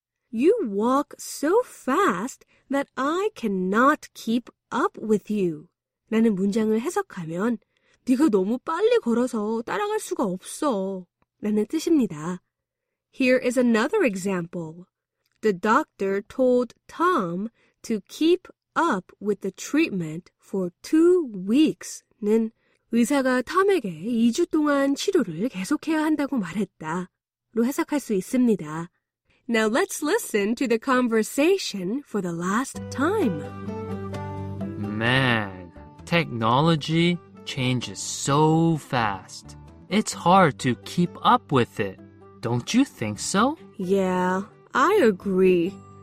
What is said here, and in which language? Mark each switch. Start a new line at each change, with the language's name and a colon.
English: You walk so fast that I cannot keep up with you.
Korean: 라는 문장을 해석하면 네가 너무 빨리 걸어서 따라갈 수가 없어 라는 뜻입니다.
English: Here is another example. The doctor told Tom to keep up with the treatment for 2 weeks.
Korean: 는 의사가 톰에게 2주 동안 치료를 계속해야 한다고 말했다로 해석할 수 있습니다.
English: Now let's listen to the conversation for the last time. Man, technology changes so fast. It's hard to keep up with it. Don't you think so? Yeah, I agree.